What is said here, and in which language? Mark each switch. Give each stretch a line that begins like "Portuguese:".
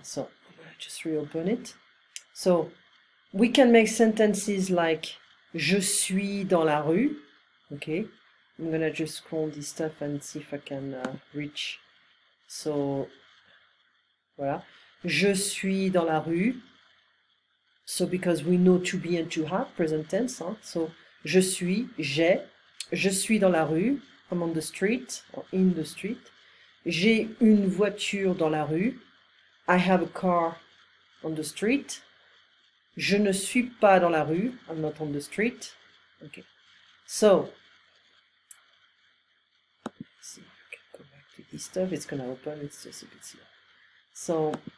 English: So just reopen it. So we can make sentences like
French: je suis dans la rue.
English: Okay, I'm gonna just scroll this stuff and see if I can reach.
French: So voilà, je suis dans la rue.
English: So because we know to be and to have present tense, hein?
French: So je suis, j'ai, je suis dans la rue.
English: I'm on the street, or in the street.
French: J'ai une voiture dans la rue.
English: I have a car on the street.
French: Je ne suis pas dans la rue,
English: I'm not on the street. Okay. So, go back to this stuff, it's gonna open, it's just a bit slow. So,